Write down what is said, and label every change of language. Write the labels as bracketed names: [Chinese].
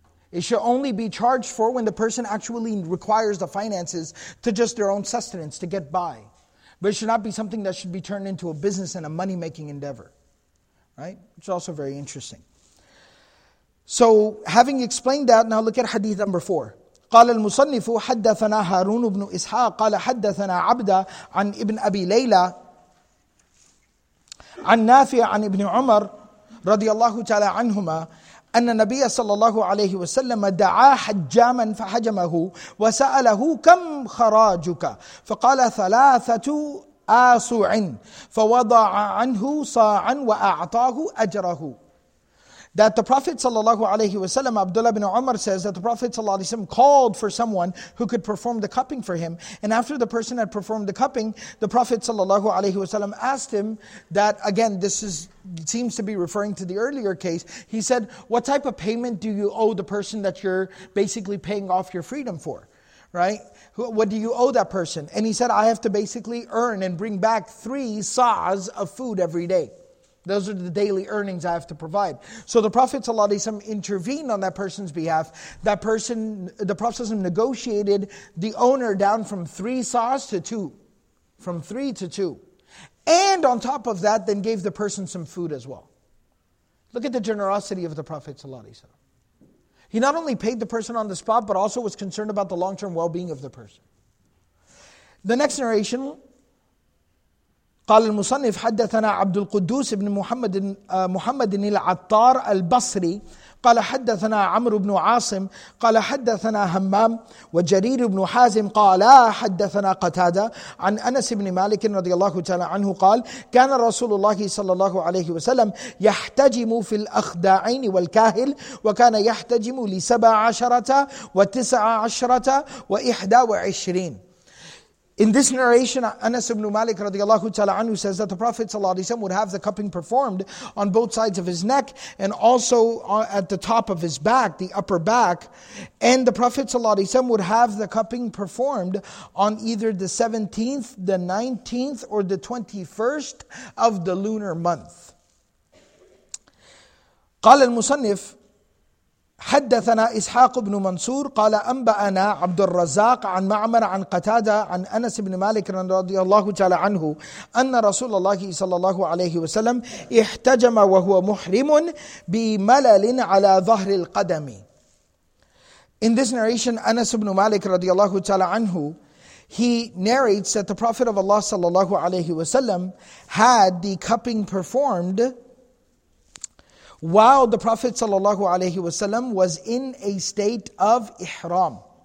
[English] It should only be charged for when the person actually requires the finances to just their own sustenance, to get by. But it should not be something that should be turned into a business and a money-making endeavor. Right? Which is also very interesting. So, having explained that, now look at hadith number 4. [Arabic] قال المصنف حدثنا هارون بن إسحاق قال حدثنا عبدة عن ابن أبي ليلى عن نافع عن ابن عمر رضي الله تعالى عنهما أن النبي صلى الله عليه وسلم دعا حجاما فحجمه وسأله كم خراجك فقال 3 آصع فوضع عنه صاعا وأعطاه أجره. [English] That the Prophet sallallahu alaihi wasallam, Abdullah bin Umar says that the Prophet sallallahu alaihi wasallam called for someone who could perform the cupping for him. And after the person had performed the cupping, the Prophet sallallahu alaihi wasallam asked him that, again, this is seems to be referring to the earlier case. He said, what type of payment do you owe the person that you're basically paying off your freedom for? Right? What do you owe that person? And he said, I have to basically earn and bring back 3 sa'as of food every day. Those are the daily earnings I have to provide. So the Prophet ﷺ intervened on that person's behalf. That person, the Prophet ﷺ negotiated the owner down from 3 sa'as to 2. From 3 to 2. And on top of that, then gave the person some food as well. Look at the generosity of the Prophet ﷺ. He not only paid the person on the spot, but also was concerned about the long-term well-being of the person. The next narration, [Arabic] قال المصنف حدثنا عبد القدوس بن محمد محمد العطار البصري قال حدثنا عمرو بن عاصم قال حدثنا همام وجرير بن حازم قال حدثنا قتادة عن أنس بن مالك رضي الله تعالى عنه قال كان رسول الله صلى الله عليه وسلم يحتجم في الأخدعين والكاهل وكان يحتجم 17 و19 و21. [English] In this narration, Anas ibn Malik radiallahu ta'ala anhu says that the Prophet sallallahu alayhi wa sallam would have the cupping performed on both sides of his neck and also at the top of his back, the upper back. And the Prophet sallallahu alayhi wa sallam would have the cupping performed on either the 17th, the 19th, or the 21st of the lunar month. [Arabic] قال المصنف حدثنا إسحاق بن منصور قال أنبأنا عبد الرزاق عن معمر عن قتادة عن أنس بن مالك رضي الله تعالى عنه أن رسول الله صلى الله عليه وسلم احتجم وهو محرم بملل على ظهر القدم. [English] In this narration, Anas ibn Malik [Arabic] رضي الله تعالى عنه, [English] he narrates that the Prophet of Allah [Arabic] صلى الله عليه وسلم [English] had the cupping performed while the Prophet sallallahu alaihi wasallam was in a state of ihram.